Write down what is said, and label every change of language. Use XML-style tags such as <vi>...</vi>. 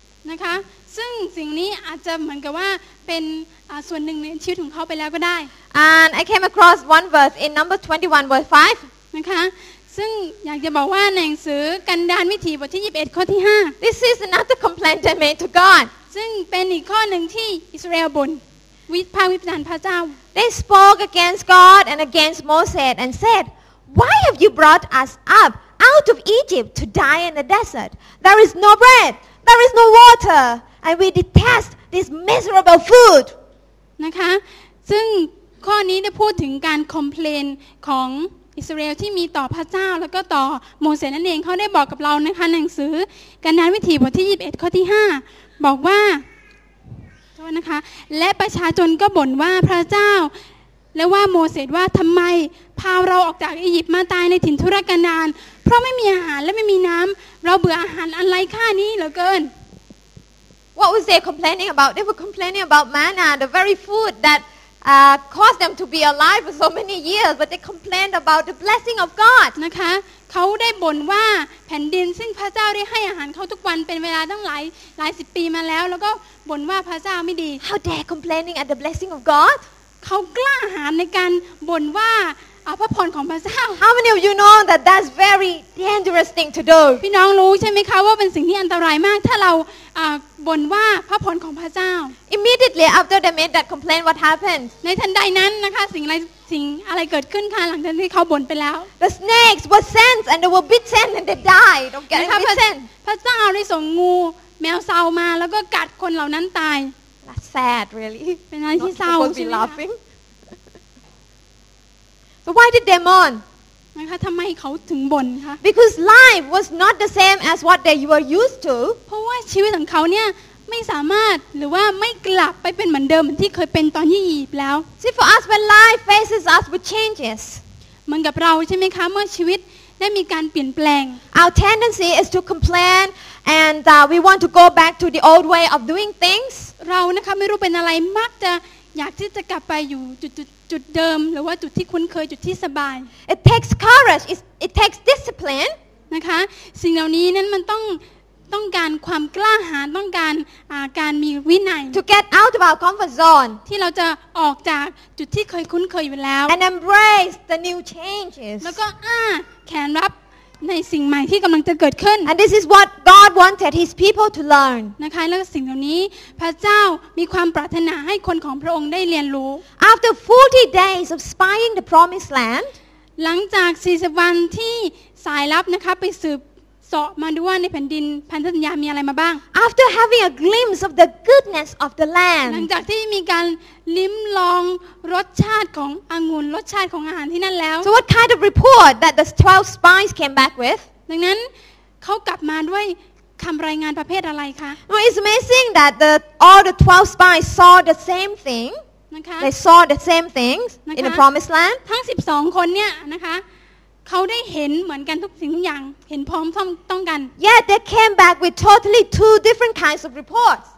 <th>นะคะซึ่งสิ่งนี้อาจจะเหมือนกับว่าเป็นส่วนหนึ่งในชีวิตของเขาไปแล้วก็ได้</th> <en>And I came across one verse in number 21 verse 5</en> <th>นะคะซึ่งอยากจะบอกว่าในหนังสือกันดารวิถีบทที่21ข้อที่5</th> <en>This is another complaint they made to God</en> <th>ซึ่งเป็นอีกข้อหนึ่งที่อิสราเอลบ่นวิพากษ์วิจารณ์พระเจ้า</th> <en>They spoke against God and against Moses and said Why have you brought us up out of Egypt to die in the desert There is no bread There is no water and we detest this miserable food</en> <th>นะคะซึ่งข้อนี้ได้พูดถึงการ complain ของอิสราเอลที่มีต่อพระเจ้าแล้วก็ต่อโมเสสนั่นเองเขาได้บอกกับเรานะคะในหนังสือกันดารวิถีบทที่21ข้อที่5บอกว่าโทษนะคะและประชาชนก็บ่นว่าพระเจ้าและว่าโมเสสว่าทำไมพาเราออกจากอียิปต์มาตายในถิ่นทุรกันดารเพราะไม่มีอาหารและไม่มีน้ำเราเบื่ออาหารอันไร้ค่านี้เหลือเกิน</th> <en>What was they complaining about? They were complaining about manna, the very food thatcaused them to be alive for so many years but they complained about the blessing of God</en> <th>นะคะเขาได้บ่นว่าแผ่นดินซึ่งพระเจ้าได้ให้อาหารเขาทุกวันเป็นเวลาตั้งหลายสิบปีมาแล้วแล้วก็บ่นว่าพระเจ้าไม่ดี</th> <en>How dare complaining at the blessing of God</en> <th>เขากล้าหาญในการบ่นว่าพระพรของพระเจ้า</th> <en>How many of you know that that's very dangerous thing to do</en> <th>พี่น้องรู้ใช่ไหมคะว่าเป็นสิ่งที่อันตรายมากถ้าเราบ่นว่าพระพรของพระเจ้า</th> <en>Immediately after they made that complaint what happened</en> <th>ในทันใดนั้นนะคะสิ่งอะไรเกิดขึ้นค่ะหลังจากที่เขาบ่นไปแล้ว</th> <en>The snakes were sent and they were bitten and they died Don't get bitten</en> <th>พระเจ้าได้ส่งงูแมวเซามาแล้วก็กัดคนเหล่านั้นตาย</th> <en>That's sad really</en> <th>เป็นอะไรที่เศร้าใช่ไหมคะ</th> <en>But why did they mourn?</en> <th>นะคะทำไมเขาถึงบ่นคะ</th> <en>Because life was not the same as what they were used to.</en> <th>เพราะว่าชีวิตของเขาเนี่ยไม่สามารถหรือว่าไม่กลับไปเป็นเหมือนเดิมเหมือนที่เคยเป็นตอนที่อยู่แล้ว</th> <en>See for us when life faces us with changes.</en> <th>มันกับเราใช่ไหมคะเมื่อชีวิตได้มีการเปลี่ยนแปลง</th> <en>Our tendency is to complain and we want to go back to the old way of doing things.</en> <th>เรานะคะไม่รู้เป็นอะไรมักจะอยากที่จะกลับไปอยู่จุดเดิมหรือว่าจุดที่คุ้นเคยจุดที่สบาย</th> <en>It takes courage it takes discipline</en> <th>นะคะสิ่งเหล่านี้นั้นมันต้องการความกล้าหาญต้องการการมีวินัย</th> <en>To get out of our comfort zone</en> <th>ที่เราจะออกจากจุดที่เคยคุ้นเคยอยู่แล้ว</th> <en>And embrace the new changes</en> <th>แล้วก็แขนรับ ในสิ่งใหม่ที่กำลังจะเกิดขึ้น</th> <en>And this is what God wanted His people to learn</en> <th>นะคะแล้วสิ่งเหล่านี้พระเจ้ามีความปรารถนาให้คนของพระองค์ได้เรียนรู้</th> <en>After 40 days of spying the promised land</en> <th>หลังจาก40วันที่สายลับนะคะไปสืบเสาะมาดูว่าในแผ่นดินพันธสัญญามีอะไรมาบ้าง</th> <en>After having a glimpse of the goodness of the land</en> <th>หลังจากที่มีการลิ้มลองรสชาติขององุ่นรสชาติของอาหารที่นั่นแล้ว</th> <en>So what kind of report that the 12 spies came back with</en> <th>ดังนั้นเขากลับมาด้วยคำรายงานประเภทอะไรคะ</th> <en>Well, it's amazing that all the 12 spies saw the same thing</en> <th>นะคะ</th> <en>They saw the same things in the promised land</en> <th>ทั้ง12คนเนี่ยนะคะเขาได้เห็นเหมือนกันทุกสิ่งทุกอย่างเห็นพร้อมต้องกัน</th> <en>Yeah they came back with totally two different kinds of reports</en>